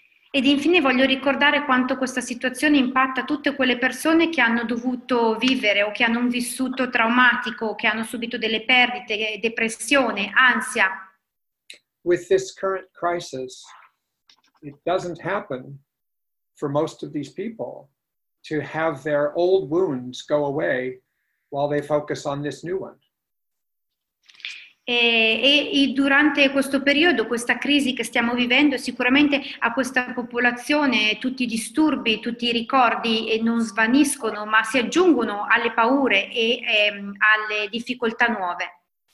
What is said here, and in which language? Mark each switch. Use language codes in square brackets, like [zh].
[it] Ed infine voglio ricordare quanto questa situazione impatta tutte quelle persone che hanno dovuto vivere o che hanno un vissuto traumatico, che hanno subito delle perdite, depressione, ansia. [en] With this current crisis, it doesn't happen for most of these people to have their old wounds go away while they focus on this new one. [it] E durante questo periodo, questa crisi che stiamo vivendo, sicuramente a questa popolazione tutti i disturbi, tutti i ricordi non svaniscono, ma si aggiungono alle paure e alle difficoltà nuove.